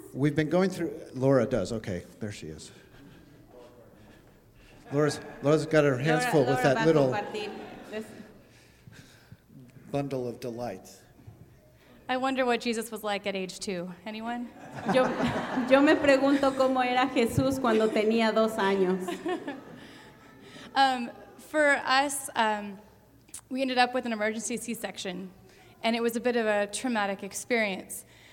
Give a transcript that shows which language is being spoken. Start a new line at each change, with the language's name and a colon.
English: We've been going through, Laura does, okay, there she is. Laura's got her hands full with Laura that little this. Bundle of delight. I wonder what Jesus was like at age 2. Anyone?
Spanish: Yo me pregunto cómo era Jesús cuando tenía 2 años.
English: For us, we ended up with an emergency C-section, and it was a bit of a traumatic experience.